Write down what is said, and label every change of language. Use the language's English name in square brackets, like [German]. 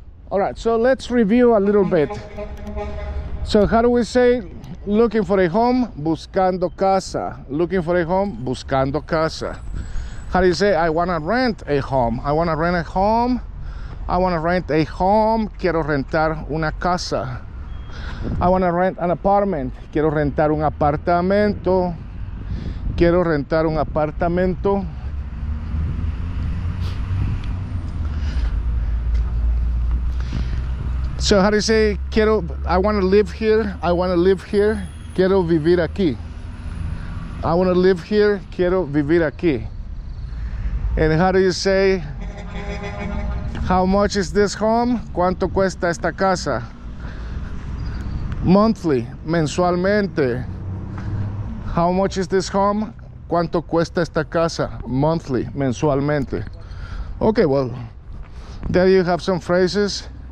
[English] All right, so let's review a little bit. So how do we say looking for a home? [Spanish] Buscando casa. [English] Looking for a home? [Spanish] Buscando casa. [English] How do you say I want to rent a home? I want to rent a home. I want to rent a home. [Spanish] Quiero rentar una casa. [English] I want to rent an apartment. [Spanish] Quiero rentar un apartamento. Quiero rentar un apartamento. [English] So how do you say, quiero, I want to live here, I want to live here, [Spanish] quiero vivir aquí. [English] I want to live here, [Spanish] quiero vivir aquí. [English] And how do you say, how much is this home? [Spanish] ¿Cuánto cuesta esta casa? Monthly, mensualmente. [English] How much is this home? [Spanish] ¿Cuánto cuesta esta casa? [English] Monthly, mensualmente. Okay, well, there you have some phrases.